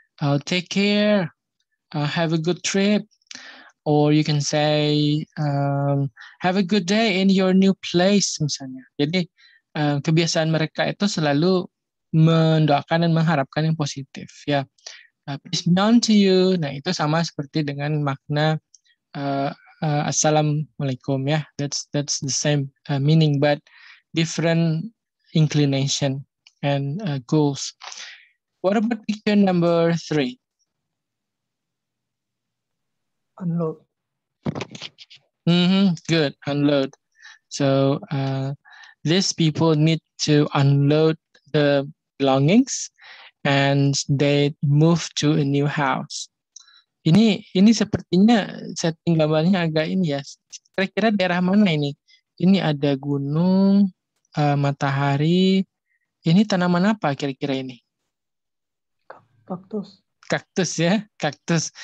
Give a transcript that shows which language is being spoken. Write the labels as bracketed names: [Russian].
[English] I'll take care, have a good trip, or you can say have a good day in your new place misalnya. [Indonesian] Jadi kebiasaan mereka itu selalu mendoakan dan mengharapkan yang positif. Ya, [English] peace be on to you. [Indonesian] Nah, itu sama seperti dengan makna assalamualaikum ya. [English] That's the same meaning but different inclination and goals. What about picture number three? Unload. Mm-hmm. Good. Unload. So these people need to unload the belongings, and they move to a new house. [Indonesian] Ini sepertinya setting gambarnya agak ini ya. Kira-kira daerah mana ini? Ini ada gunung, matahari. Ini tanaman apa kira-kira ini? Kaktus ya, kaktus.